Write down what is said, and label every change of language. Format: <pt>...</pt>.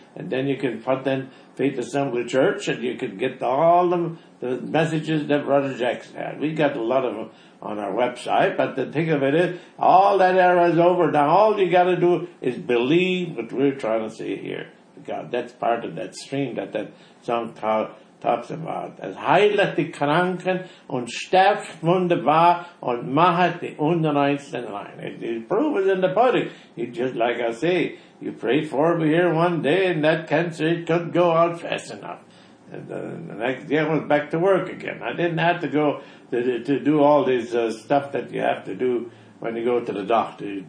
<en>And then you can put in Faith Assembly Church, and you can get all the messages that Brother Jackson had. We got a lot of them on our website, but the thing of it is, all that era is over. Now all you got to do is believe what we're trying to say here. God, that's part of that stream that song talks about.</en> <de>Es heilet die Kranken und stärkt wunderbar und macht die Unreinsten rein.</de> <en>The proof is in the pudding. You just, like I say, you prayed for me here one day and that cancer, it couldn't go out fast enough. And the next day I was back to work again. I didn't have to go to do all this stuff that you have to do when you go to the doctor.</en>